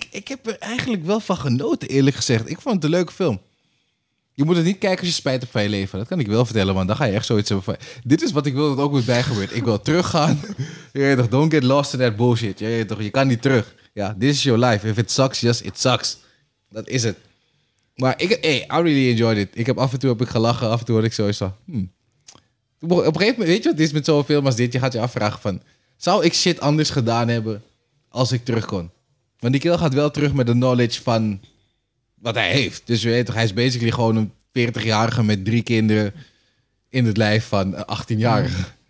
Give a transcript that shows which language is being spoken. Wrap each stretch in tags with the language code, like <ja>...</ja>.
<nl>Ik heb er eigenlijk wel van genoten, eerlijk gezegd. Ik vond het een leuke film. Je moet het niet kijken als je spijt hebt van je leven. Dat kan ik wel vertellen, want dan ga je echt zoiets hebben van... Dit is wat ik wil dat ook met bijgebeurt. Ik wil teruggaan.</nl> <en>Don't get lost in that bullshit.</en> <nl>Je kan niet terug. Ja,</nl> <en>this is your life. If it sucks, just it sucks.</en> <nl>Dat is het. Maar</nl> <en>I really enjoyed it.</en> <nl>Af en toe heb ik gelachen. Af en toe had ik zoiets van... Op een gegeven moment, weet je wat het is met zo'n film als dit? Je gaat je afvragen van... Zou ik shit anders gedaan hebben als ik terug kon? Want die kerel gaat wel terug met de knowledge van wat hij heeft. Dus je weet toch, hij is basically gewoon een 40-jarige met 3 kinderen in het lijf van een 18-jarige.</nl>